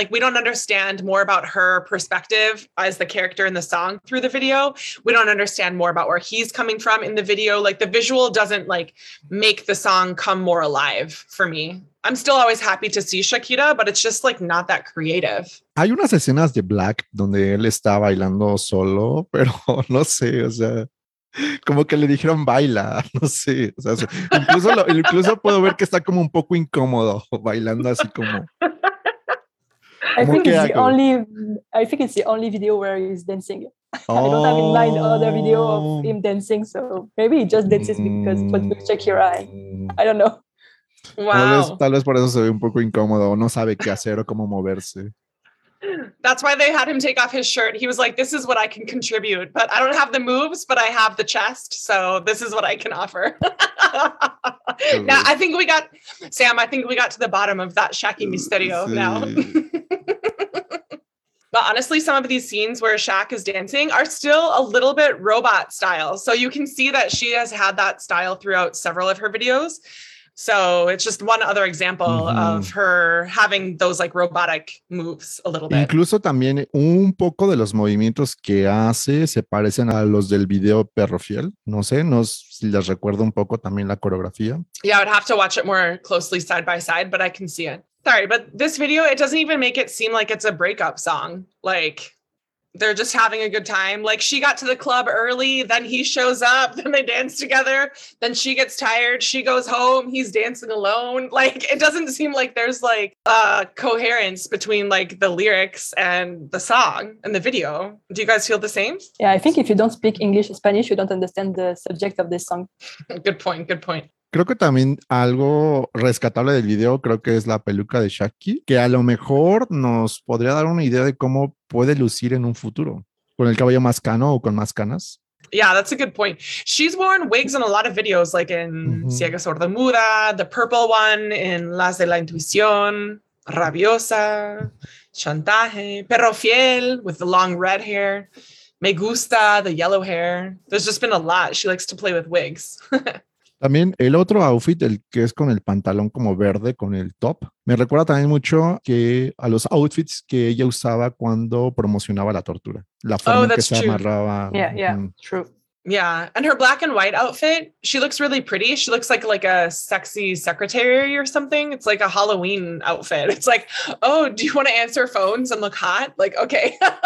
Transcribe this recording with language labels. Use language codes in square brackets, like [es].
[en] Like we don't understand more about her perspective as the character in the song through the video. We don't understand more about where he's coming from in the video. Like the visual doesn't like make the song come more alive for me. I'm still always happy to see Shakira, but it's just like not that creative. [es] Hay unas escenas de Black donde él está bailando solo, pero no sé, o sea, como que le dijeron baila, no sé, o sea, incluso puedo ver que está como un poco incómodo bailando así como. [en] I think it's the only video where he's dancing. Oh. I don't have in mind other video of him dancing, so maybe he just dances because it was Shakira. I don't know. Wow. [es] Tal vez por eso se ve un poco incómodo, no sabe qué hacer o cómo moverse. [en] That's why they had him take off his shirt. He was like, this is what I can contribute, but I don't have the moves, but I have the chest, so this is what I can offer. Now, I think we got, Sam, I think we got to the bottom of that Shaki misterio now. But honestly, some of these scenes where Shaq is dancing are still a little bit robot style. So you can see that she has had that style throughout several of her videos. So it's just one other example of her having those like robotic moves a little bit. [es] Incluso también un poco de los movimientos que hace se parecen a los del video Perro Fiel. No sé, les recuerdo un poco también la coreografía. [en] Yeah, I'd have to watch it more closely side by side, but I can see it. Sorry, but this video, it doesn't even make it seem like it's a breakup song. Like they're just having a good time. Like she got to the club early, then he shows up, then they dance together, then she gets tired, she goes home, he's dancing alone. Like it doesn't seem like there's like a coherence between like the lyrics and the song and the video. Do you guys feel the same? Yeah, I think if you don't speak English or Spanish, you don't understand the subject of this song. good point. [es] Creo que también algo rescatable del video creo que es la peluca de Shaki, que a lo mejor nos podría dar una idea de cómo puede lucir en un futuro, con el cabello más cano o con más canas. [en] Yeah, that's a good point. She's worn wigs in a lot of videos, like in Ciega Sordomuda, the purple one, in Las de la Intuición, Rabiosa, Chantaje, Perro Fiel, with the long red hair, Me Gusta, the yellow hair. There's just been a lot. She likes to play with wigs. [es] También el otro outfit, el que es con el pantalón como verde con el top, me recuerda también mucho que a los outfits que ella usaba cuando promocionaba la tortura, la forma en que se amarraba. [en] Yeah, and her black and white outfit, she looks really pretty. She looks like a sexy secretary or something. It's like a Halloween outfit. It's like, oh, do you want to answer phones and look hot? Like, okay.